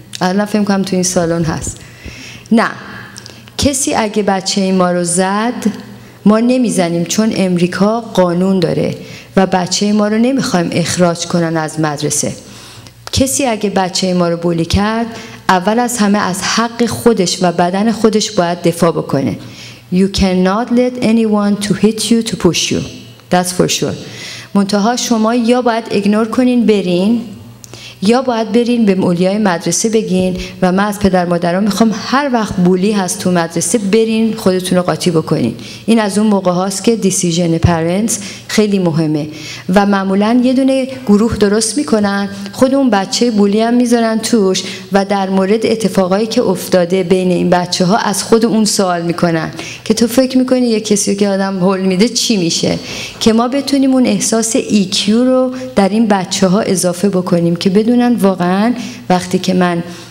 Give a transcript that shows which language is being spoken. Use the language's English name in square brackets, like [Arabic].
[Persian] الان فهم کنم تو این سالن هست. نه، کسی اگه بچه ما رو زد ما نمیزنیم، چون امریکا قانون داره و بچه ما رو نمیخوایم اخراج کنن از مدرسه. کسی اگه بچه ما رو بولی کرد، اول از همه از حق خودش و بدن خودش باید دفاع بکنه. [English] You cannot let anyone to hit you to push you. That's for sure. [Persian] منتها شما یا باید اگنور کنین برین، یا باید برین به مولیای مدرسه بگین و من از پدر مادرها میخوام هر وقت بولی هست تو مدرسه برین خودتون رو قاطی بکنین. این از اون موقع هاست که دیسیژن پرنتس خیلی مهمه و معمولا یه دونه گروه درست میکنن، خود اون بچه بولی هم میذارن توش و در مورد اتفاقایی که افتاده بین این بچه ها از خود اون سوال میکنن که تو فکر میکنی یه کسی که آدم هول میده چی میشه، که ما بتونیم اون احساس ایکیو رو در این بچه ها اضافه بکنیم که بدونن واقعا وقتی که من